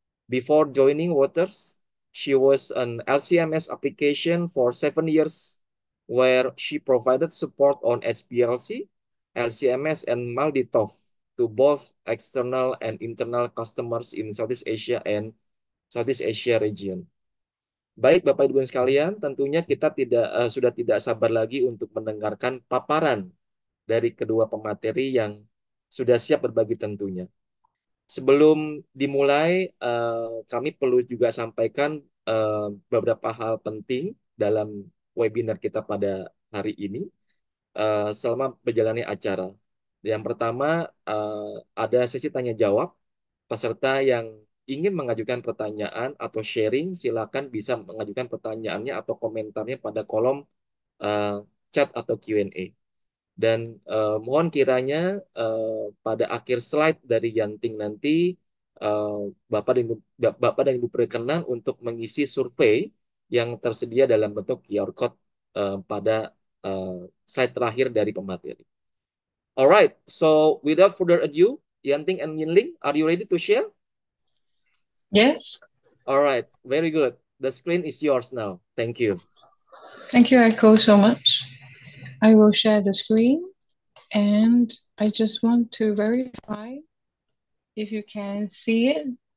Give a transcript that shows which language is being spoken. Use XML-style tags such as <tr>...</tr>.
<en>Before joining Waters, she was an LCMS application for 7 years where she provided support on HPLC, LCMS, and MALDI-TOF to both external and internal customers in Southeast Asia and Southeast Asia region.</en> <id>Baik, Bapak Ibu sekalian, tentunya kita sudah tidak sabar lagi untuk mendengarkan paparan dari kedua pemateri yang sudah siap berbagi tentunya. Sebelum dimulai, kami perlu juga sampaikan beberapa hal penting dalam webinar kita pada hari ini selama berjalannya acara. Yang pertama, ada sesi tanya jawab. Peserta yang ingin mengajukan pertanyaan atau sharing, silakan bisa mengajukan pertanyaannya atau komentarnya pada kolom chat atau Q&A. Dan mohon kiranya pada akhir slide dari Yanting nanti, Bapak dan Ibu berkenan untuk mengisi survei yang tersedia dalam bentuk QR code pada slide terakhir dari pemateri.</id> <en>Alright, so without further ado, Yanting and Yin Ling, are you ready to share? Yes. Alright, very good. The screen is yours now. Thank you. Thank you, Echo, so much. I will share the screen and I just want to verify if you can see it.</en>